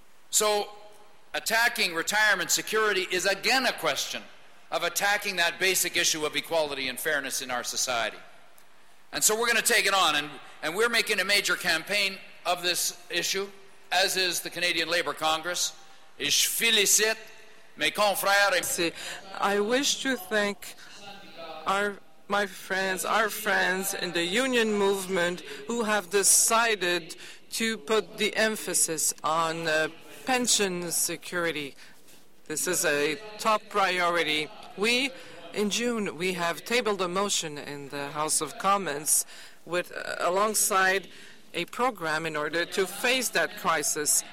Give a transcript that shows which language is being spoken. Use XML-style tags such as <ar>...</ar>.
<en>So attacking retirement security is again a question of attacking that basic issue of equality and fairness in our society. And so we're going to take it on, and we're making a major campaign of this issue, as is the Canadian Labour Congress.</en> <fr>Je félicite mes confrères.</fr> <en>I wish to thank our my friends, our friends in the union movement who have decided to put the emphasis on pension security. This is a top priority. In June, we have tabled a motion in the House of Commons with alongside a program in order to face that crisis.</en>